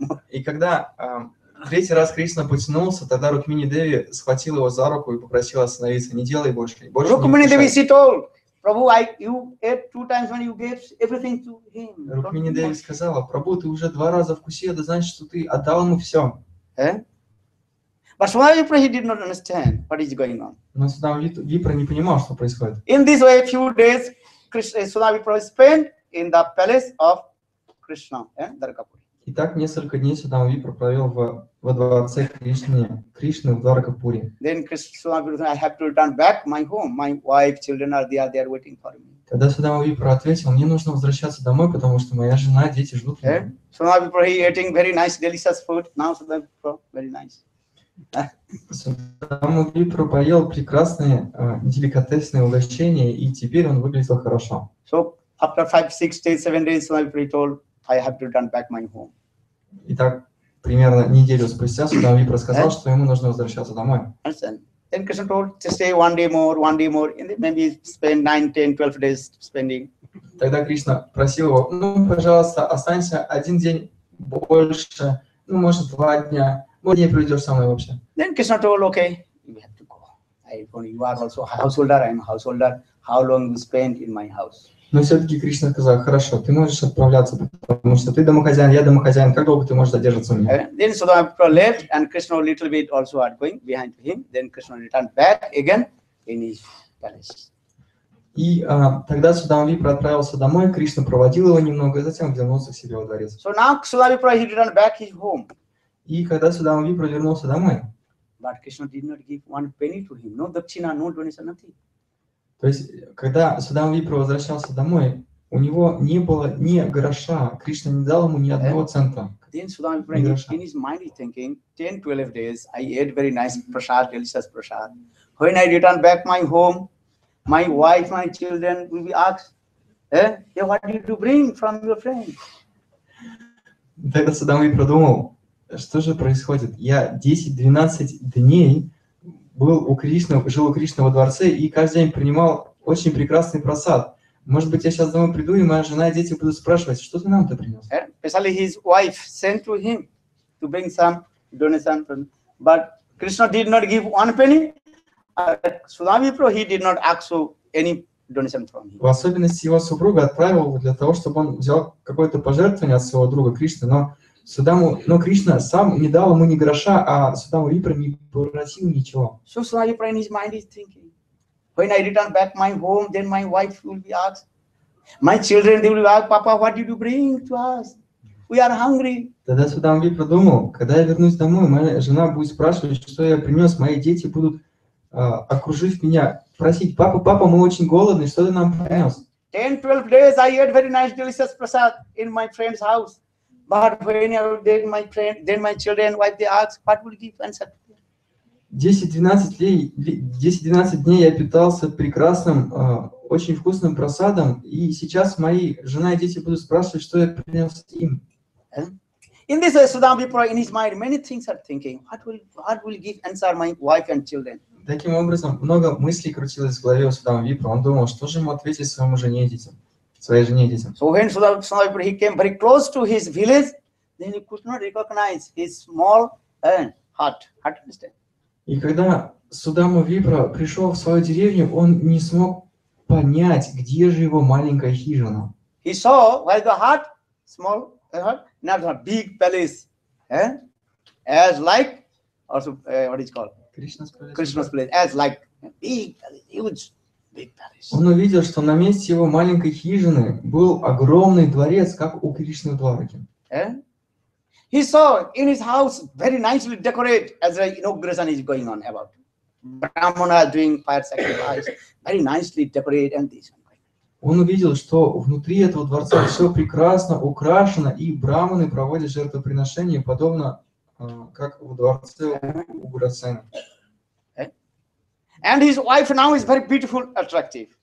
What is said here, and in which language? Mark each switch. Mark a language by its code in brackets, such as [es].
[ru] И когда третий раз Кришна потянулся, тогда Рукмини Деви схватил его за руку и попросил остановиться. Не делай больше. Рукмини Деви сказал, Прабху, [en] you ate two times when you gave everything to him. [ru] Рукмини Деви сказала, Прабху, ты уже два раза вкусил, это значит, что ты отдал ему все. [en] But Sudama Vipra, he did not understand what is going on. [ru] Но Судама Випра не понимал, что происходит. [en] In this way, a few days, Sudama Vipra spent in the palace of Krishna, Dwarakapuri. [ru] И так несколько дней Судама Випра провел во дворце Кришны в Дваракапури. [en] Then Sudama Vipra said, I have to return back my home. My wife, children are there, they are waiting for me. [ru] Тогда Судама Випра ответил, мне нужно возвращаться домой, потому что моя жена, дети ждут меня. [en] Sudama Vipra, he eating very nice, delicious food. Now Sudama Vipra, very nice. [ru] Судама Випра поел прекрасные деликатесные угощения, и теперь он выглядел хорошо. [en] So after 5-6 days, 7 days, Судама Випра told, I have to return back my home. [ru] Итак, примерно неделю спустя Судама Випра сказал, что ему нужно возвращаться домой. [en] Understand? Then Krishna told, just stay one day more, and maybe spend 9-10-12 days spending. [ru] Тогда Кришна просил его, пожалуйста, останься один день больше, может, два дня. Не придешь со мной вообще. [en] Then Krishna told, okay, we have to go. You are also householder, I am householder. How long you spend in my house? [ru] Но все-таки Кришна сказал, хорошо, ты можешь отправляться, потому что ты домохозяин, я домохозяин. Как долго ты можешь задержаться у меня? [en] Then Sudama Vipra left, and Krishna a little bit also are going behind him. Then Krishna returned back again in his palace. [ru] И тогда Судама Випра отправился домой, Кришна проводил его немного, и затем вернулся к себе во дворец. [en] So now Sudama Vipra, he returned back his home. [ru] И когда Судама Випра вернулся домой, [en] but Krishna did not give one penny to him, no dakshina, no donation, nothing. [ru] То есть, когда Судама Випра возвращался домой, у него не было ни гроша, Кришна не дал ему ни одного цента. [en] Then Sudama Vipra, [ru] ни гроша. [en] In his mind, he's thinking, 10-12 days, I ate very nice prasad, delicious prasad. When I return back my home, my wife, my children will be asked, what did you bring from your friend? [ru] Тогда Судама Випра думал, что же происходит? Я 10-12 дней был у Кришны, жил у Кришны во дворце и каждый день принимал очень прекрасный просад. Может быть, я сейчас домой приду, и моя жена и дети будут спрашивать, что ты нам это принес? [en] Especially his wife sent to him to bring some donation. But Krishna did not give one penny. Sudama Vipra, he did not ask so any donation from him. [ru] В особенности его супруга отправила для того, чтобы он взял какое-то пожертвование от своего друга Кришны, но Кришна сам не дал ему ни гроша, а Судама Випра не просил ничего. [en] So Sudama Vipra in his mind is thinking, when I return back my home, then my wife will be asked, My children, they will ask, Papa, what did you bring to us? We are hungry. [ru] Тогда Судан Ви подумал, когда я вернусь домой, моя жена будет спрашивать, что я принес, мои дети будут окружив меня, просить, папа, папа, мы очень голодны, что ты нам принес? [en] 10-12 days I ate very nice delicious prasad in my friend's house. But when my friend, then my children, wife, they ask, what will give answer? [ru] 10-12 дней я питался прекрасным, очень вкусным просадом, и сейчас мои жена и дети будут спрашивать, что я принес им. [en] In this way, Sudan Vipra, in his mind, many things are thinking, what will give answer my wife and children? [ru] Таким образом, много мыслей крутилось в голове у Судан Випра. Он думал, что же ему ответить своему жене и детям, своей жене и детям. [en] So when Sudan Vipra, he came very close to his village, then he could not recognize his small hut. Understand? [ru] И когда Судан Випра пришел в свою деревню, он не смог понять, где же его маленькая хижина. [en] He saw where the hut, small hut, not a big palace, as like, also, what is called? Krishna's place. As like big palace, huge, big palace. [ru] Он увидел, что на месте его маленькой хижины был огромный дворец, как у Кришны в Дварике. [en] He saw in his house very nicely decorated as the inauguration is going on about. Brahmana doing fire sacrifice, very nicely decorated and this. [ru] Он увидел, что внутри этого дворца все прекрасно украшено, и брахманы проводят жертвоприношения, подобно как в дворце у Гурасена. [en] And his wife now is very beautiful, attractive.